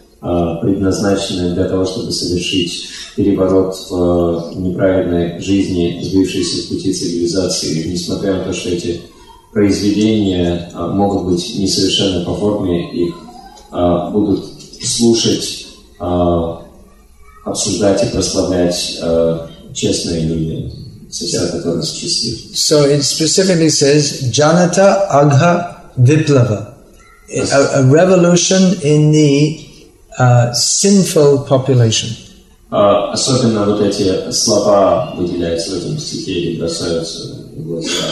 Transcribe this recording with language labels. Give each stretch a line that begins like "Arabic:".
Russian: предназначенное для того, чтобы совершить переворот в неправильной жизни, сбившейся с пути цивилизации, несмотря на то, что эти произведения могут быть несовершенны по форме, их будут слушать, обсуждать и прославлять честные люди.
English: So it specifically says Janata Agha Viplava, a revolution in the sinful population.
Russian: Особенно вот эти слова выделяются в этом стихе и бросаются в глаза.